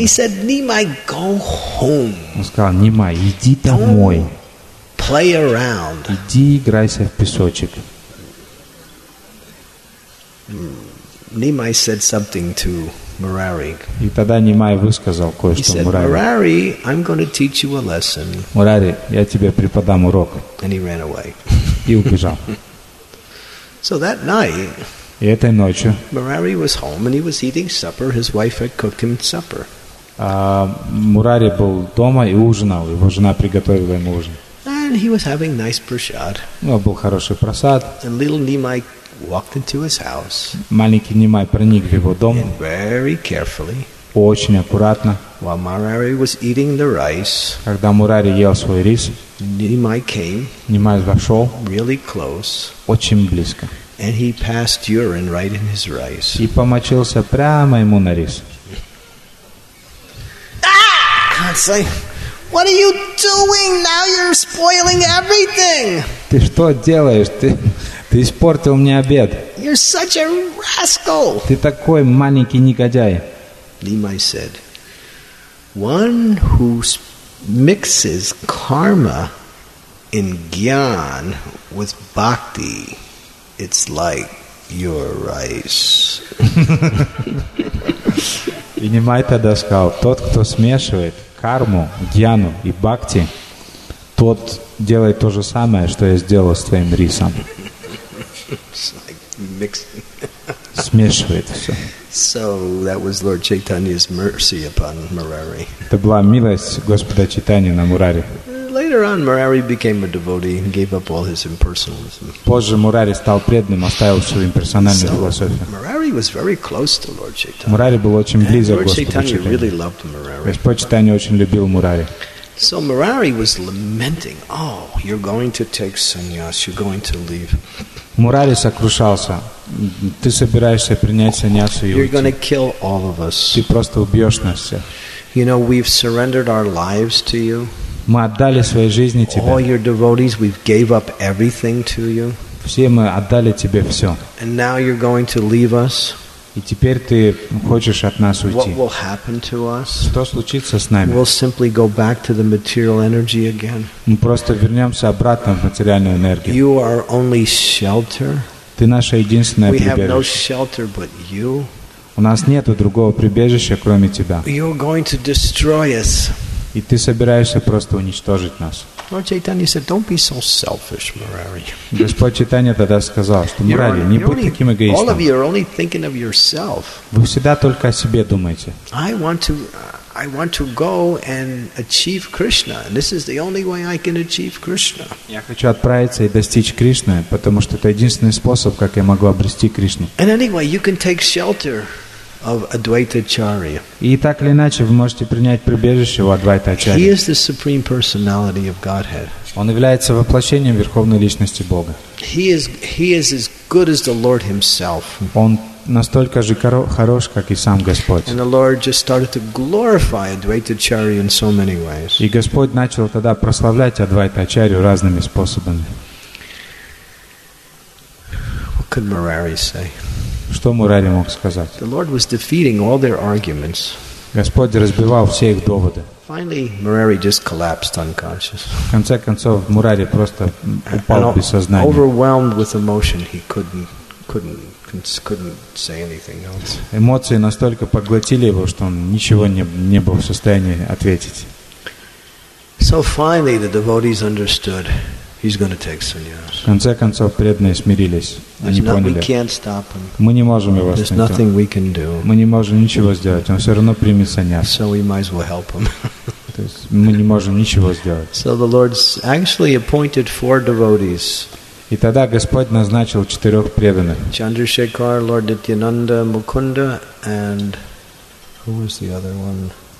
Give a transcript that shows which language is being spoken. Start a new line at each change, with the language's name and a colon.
English: He said, "Nimai, go home."
Russian: Он сказал: "Нимай, иди домой.
English: Play around.
Russian: Иди играйся в песочек."
English: Nimai said something to Murari.
Russian: И тогда Нимай высказал кое-что Мурари.
English: He said, "Murari, I'm going to teach you a lesson."
Russian: Мурари, я тебе преподам урок.
English: And he ran away.
Russian: И убежал.
English: So that night,
Russian: и этой ночью
English: Murari was home and he was eating supper. His wife had cooked him supper.
Russian: Мурари был дома и ужинал. Его жена приготовила ему ужин.
English: And he was having nice prasad.
Russian: Ну, был хороший просад.
English: And little Nimai walked into his house.
Russian: Маленький Нимай проник в его дом.
English: And very carefully.
Russian: Очень аккуратно.
English: While Murari was eating the rice.
Russian: Когда Мурари ел свой рис.
English: Nimai came.
Russian: Нимай вошел.
English: Really close.
Russian: Очень близко.
English: And he passed urine right in his rice.
Russian: И помочился прямо ему на рис.
English: Ah! What are you doing? Now you're spoiling everything.
Russian: Ты что делаешь? Ты испортил мне обед.
English: You're such a rascal.
Russian: Ты такой маленький негодяй.
English: Nimai said, "One who mixes karma in gyan with bhakti." It's like your rice.
Russian: И Нимай тогда сказал, тот, кто смешивает карму, гьяну и бхакти, тот делает то же самое, что я сделал с твоим рисом.
English: It's like mixing.
Russian: Смешивает все.
English: So that was Lord Chaitanya's mercy upon Murari.
Russian: Это была милость Господа Чайтаньи на Мурари.
English: Later on, Murari became a devotee and gave up all his impersonalism.
Russian: Позже Мурари стал преданным, оставил всю имперсональную философию.
English: Murari was very close to Lord Chaitanya.
Russian: Мурари был очень близок к Господу
English: Чайтанье. Lord Chaitanya really loved Murari.
Russian: Господь Чайтанья очень любил Мурари.
English: So Murari was lamenting, "Oh, you're going to take sannyas, you're going to leave."
Russian: Мурари сокрушался. Ты собираешься принять саньясу и уйти.
English: You're going to kill all of us.
Russian: Ты просто убьешь нас всех.
English: You know, we've surrendered our lives to you.
Russian: Мы отдали свои жизни тебе.
English: All your devotees, we've gave up everything to you.
Russian: Все мы отдали тебе все.
English: And now you're going to leave us.
Russian: И теперь ты хочешь от нас уйти.
English: What will happen to us?
Russian: Что случится с нами?
English: We'll simply go back to the material energy again.
Russian: Мы просто вернемся обратно в материальную энергию.
English: You are only shelter.
Russian: Ты наше единственное прибежище.
English: We have no shelter but you.
Russian: У нас нет другого прибежища, кроме тебя.
English: You're going to destroy us.
Russian: И ты собираешься просто уничтожить нас.
English: Lord Chaitanya said, "Don't be so selfish, Murari."
Russian: Господь Чайтанья тогда сказал, что Мурари, не будь таким эгоистом.
English: All of you are only thinking of yourself.
Russian: Вы всегда только о себе думаете.
English: I want to go and achieve Krishna, and this is the only way I can achieve Krishna.
Russian: Я хочу отправиться и достичь Кришны, потому что это единственный способ, как я могу обрести Кришну.
English: And anyway, you can take shelter. Of Advaita Acharya.
Russian: И так или иначе вы можете принять прибежище у Адвайта Ачарьи.
English: He is the supreme personality of Godhead.
Russian: Он является воплощением верховной личности Бога.
English: He is as good as the Lord himself.
Russian: Он настолько же хорош, как и сам Господь.
English: And the Lord just started to glorify Advaita Acharya in so many ways.
Russian: И Господь начал тогда прославлять Адвайта Ачарью разными способами.
English: What could Murari say?
Russian: Что Мурари мог сказать?
English: The Lord was defeating all their arguments.
Russian: Господь разбивал все их доводы.
English: Finally, Murari just collapsed unconscious.
Russian: В конце концов, Мурари просто упал без сознания.
English: Overwhelmed with emotion, he couldn't say anything else.
Russian: Эмоции настолько поглотили его, что он ничего не был в состоянии ответить.
English: So finally, the devotees understood. He's going to take sannyas.
Russian: В конце концов, преданные смирились. Они поняли.
English: We can't stop him.
Russian: Мы не можем его остановить.
English: There's nothing we can do.
Russian: Мы не можем ничего сделать. Он все равно примет саньяс.
English: So we might as well help him.
Russian: То есть мы не можем ничего сделать.
English: So the Lord actually appointed four devotees.
Russian: И тогда Господь назначил четырех преданных.
English: Chandrasekhar, Lord Nityananda, Mukunda, and who was the other one?